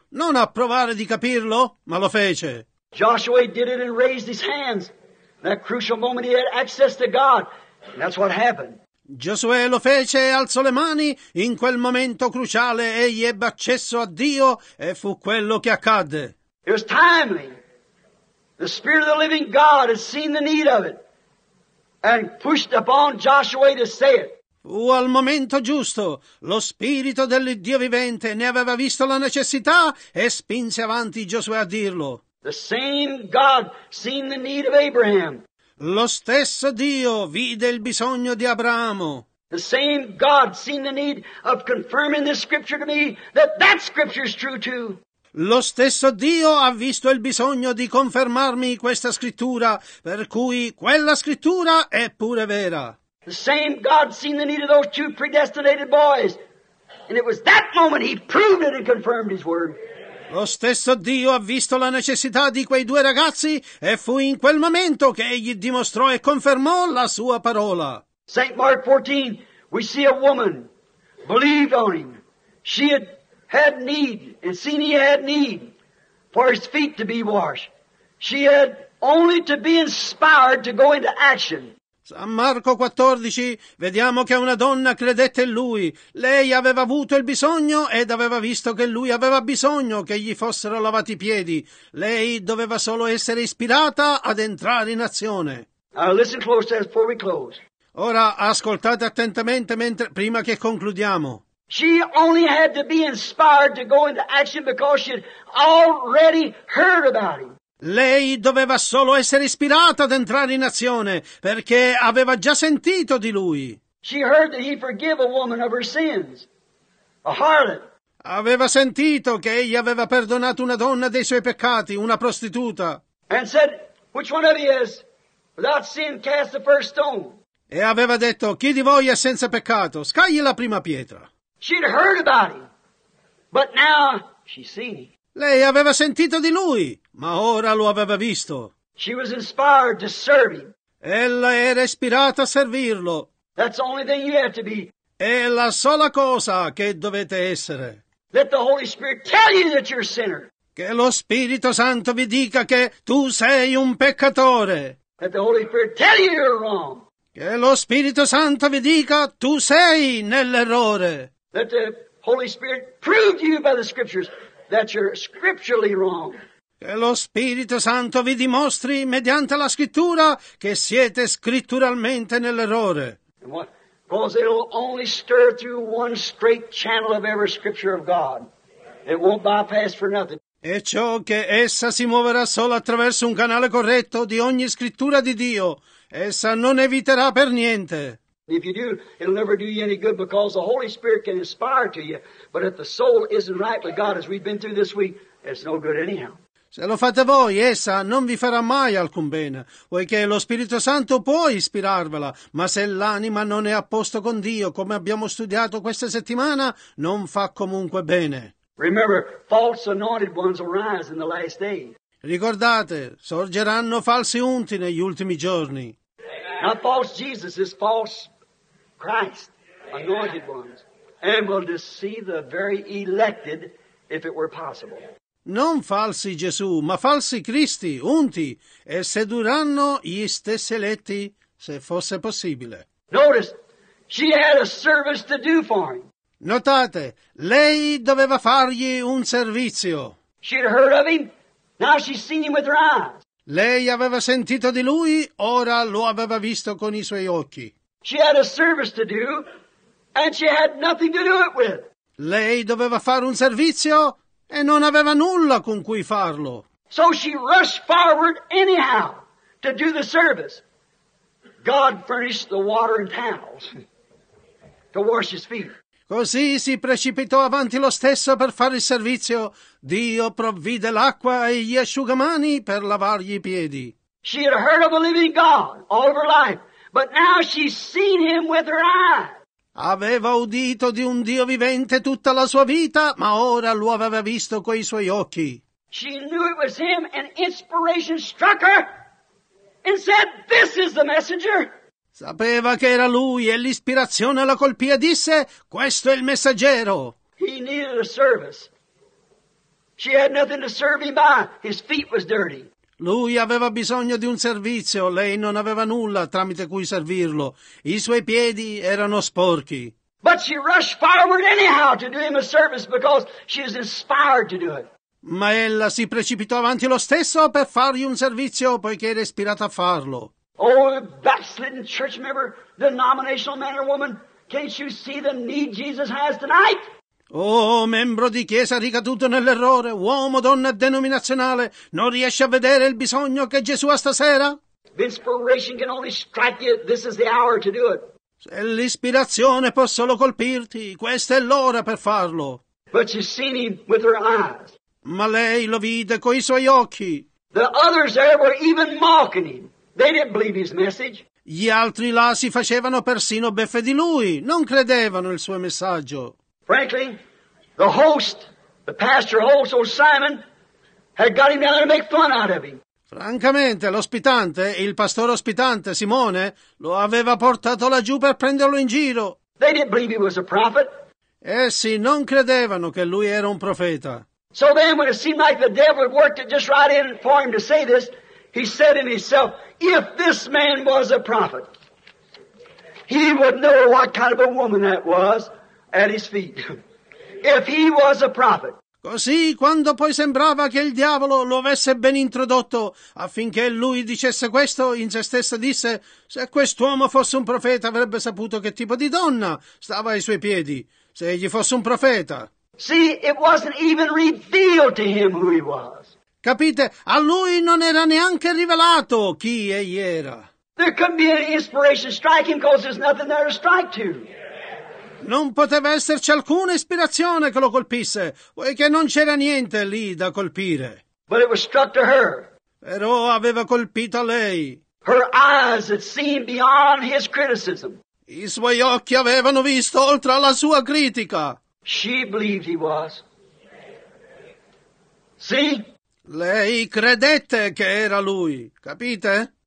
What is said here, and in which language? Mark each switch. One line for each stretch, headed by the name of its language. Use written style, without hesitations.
Italian: Non a provare di capirlo, ma lo fece.
English: Joshua did it and raised his hands. That crucial moment he had access to God. And that's what happened.
Italian: Giosuè lo fece e alzò le mani. In quel momento cruciale egli ebbe accesso a Dio e fu quello che accadde.
English: It was timely. The Spirit of the living God had seen the need of it and pushed upon Joshua to say it.
Italian: Fu al momento giusto. Lo Spirito dell'Iddio vivente ne aveva visto la necessità e spinse avanti Giosuè a dirlo.
English: The same God seen the need of Abraham.
Italian: Lo stesso Dio vide il bisogno di Abramo.
English: The same God seen the need of confirming this scripture to me that that scripture is true too.
Italian: Lo stesso Dio ha visto il bisogno di confermarmi questa scrittura, per cui quella scrittura è pure vera.
English: The same God seen the need of those two predestinated boys, and it was that moment he proved it and confirmed his word.
Italian: Lo stesso Dio ha visto la necessità di quei due ragazzi e fu in quel momento che egli dimostrò e confermò la sua parola.
English: St. Mark 14, we see a woman believed on him. She had had need and seen he had need for his feet to be washed. She had only to be inspired to go into action.
Italian: San Marco 14, vediamo che una donna credette in lui. Lei aveva avuto il bisogno ed aveva visto che lui aveva bisogno che gli fossero lavati i piedi. Lei doveva solo essere ispirata ad entrare in azione.
English: Listen close before we close.
Italian: Ora ascoltate attentamente mentre, prima che concludiamo.
English: She only had to be inspired to go into action because she had already heard about him.
Italian: Lei doveva solo essere ispirata ad entrare in azione, perché aveva già sentito di lui.
English: She heard that he forgave a woman of her sins, a harlot.
Italian: Aveva sentito che egli aveva perdonato una donna dei suoi peccati, una prostituta.
English: And said, which one of you is without sin, cast the first stone.
Italian: E aveva detto, chi di voi è senza peccato, scagli la prima pietra.
English: She'd heard about him, but now she's seen him.
Italian: Lei aveva sentito di lui, ma ora lo aveva visto.
English: She was inspired to serve him.
Italian: Ella era ispirata a servirlo.
English: That's the only thing you have to be.
Italian: È la sola cosa che dovete essere.
English: Let the Holy Spirit tell you that you're a sinner.
Italian: Che lo Spirito Santo vi dica che tu sei un peccatore.
English: Let the Holy Spirit tell you you're wrong.
Italian: Che lo Spirito Santo vi dica tu sei nell'errore.
English: Let the Holy Spirit prove to you by the Scriptures that you're scripturally wrong.
Italian: Che lo Spirito Santo vi dimostri mediante la scrittura che siete scritturalmente nell'errore.
English: Because it'll only stir through one straight channel of every scripture of God. It won't bypass for nothing.
Italian: E ciò che essa si muoverà solo attraverso un canale corretto di ogni scrittura di Dio, essa non eviterà per niente.
English: If you do, it'll never do you any good because the Holy Spirit can inspire to you. But if the soul isn't right with God, as we've been through this week, it's no good anyhow.
Italian: Se lo fate voi, essa non vi farà mai alcun bene, poiché lo Spirito Santo può ispirarvela, ma se l'anima non è a posto con Dio, come abbiamo studiato questa settimana, non fa comunque bene.
English: Remember, false anointed ones arise in the last days.
Italian: Ricordate, sorgeranno falsi unti negli ultimi giorni.
English: Amen. Not false Jesus, it's false Christ, anointed ones, and will deceive the very elected if it were possible.
Italian: Non falsi Gesù, ma falsi Cristi, unti, e sedurranno gli stessi eletti se fosse possibile.
English: Notice, she had a service to do for him.
Italian: Notate, lei doveva fargli un servizio.
English: She'd heard of him, now she's seen him with her eyes.
Italian: Lei aveva sentito di lui, ora lo aveva visto con i suoi occhi.
English: She had a service to do, and she had nothing to do it with.
Italian: Lei doveva fare un servizio e non aveva nulla con cui farlo.
English: So she rushed forward anyhow to do the service. God furnished the water and towels to wash his feet.
Italian: Così si precipitò avanti lo stesso per fare il servizio. Dio provvide l'acqua e gli asciugamani per lavargli i piedi.
English: She had heard of a living God all of her life, but now she's seen him with her eyes.
Italian: Aveva udito di un Dio vivente tutta la sua vita, ma ora lo aveva visto coi suoi occhi.
English: She knew it was him, and inspiration struck her and said, "This is the messenger."
Italian: Sapeva che era lui e l'ispirazione la colpì e disse, "Questo è il messaggero."
English: He needed a service. She had nothing to serve him by. His feet was dirty.
Italian: Lui aveva bisogno di un servizio, lei non aveva nulla tramite cui servirlo. I suoi piedi erano sporchi.
English: But she rushed forward anyhow to do him a service because she was inspired to do it.
Italian: Ma ella si precipitò avanti lo stesso per fargli un servizio poiché era ispirata a farlo.
English: Oh, backslidden church member, denominational man or woman, can't you see the need Jesus has tonight?
Italian: Oh, membro di chiesa ricaduto nell'errore, uomo, donna denominazionale, non riesce a vedere il bisogno che Gesù ha stasera?
English: Inspiration can only strike you. This is the hour to do it.
Italian: Se l'ispirazione può solo colpirti, questa è l'ora per farlo.
English: But she's seen him with her eyes.
Italian: Ma lei lo vide coi suoi occhi.
English: The others there were even mocking him. They didn't believe his message.
Italian: Gli altri là si facevano persino beffe di lui, non credevano il suo messaggio.
English: Frankly, the host, the pastor host, old Simon, had got him down there to make fun out of him.
Italian: Francamente, l'ospitante, il pastore ospitante, Simone, lo aveva portato laggiù per prenderlo in giro.
English: They didn't believe he was a prophet.
Italian: Essi non credevano che lui era un profeta.
English: So then, when it seemed like the devil worked it just right in for him to say this, he said in himself, if this man was a prophet, he would know what kind of a woman that was. At his feet. If he was a prophet.
Italian: Così, quando poi sembrava che il diavolo lo avesse ben introdotto, affinché lui dicesse questo, in se stesso disse, se quest'uomo fosse un profeta, avrebbe saputo che tipo di donna stava ai suoi piedi, se egli fosse un profeta.
English: See, it wasn't even revealed to him who he was.
Italian: Capite, a lui non era neanche rivelato chi egli era.
English: There couldn't be any inspiration strike him because there's nothing there to strike to.
Italian: Non poteva esserci alcuna ispirazione che lo colpisse, poiché non c'era niente lì da colpire.
English: But it was struck to her.
Italian: Però aveva colpito a lei.
English: Her eyes had seen beyond his criticism.
Italian: I suoi occhi avevano visto oltre alla sua critica.
English: She believed he was. See?
Italian: Lei credette che era lui, capite?